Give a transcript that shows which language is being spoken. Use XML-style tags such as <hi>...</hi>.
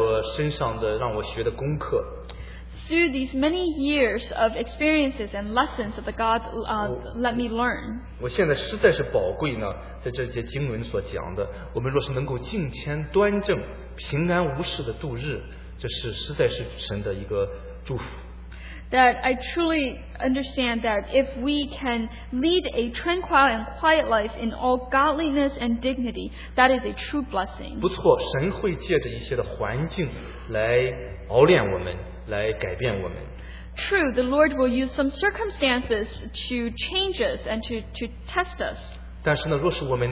<zh>经过这多年主在我身上的让我学的功课,</zh> <en>through these many years of experiences and lessons that God let me learn,</en> <zh>我现在实在是宝贵呢, 在这节经文所讲的, 我们若是能够敬虔端正, 平安无事的度日, 这是实在是神的一个祝福。</zh> <en>That I truly understand that if we can lead a tranquil and quiet life in all godliness and dignity, that is a true blessing.</en> <zh>不错，神会借着一些的环境来熬炼我们，来改变我们。</zh> <en>True, the Lord will use some circumstances to change us and to test us.</en>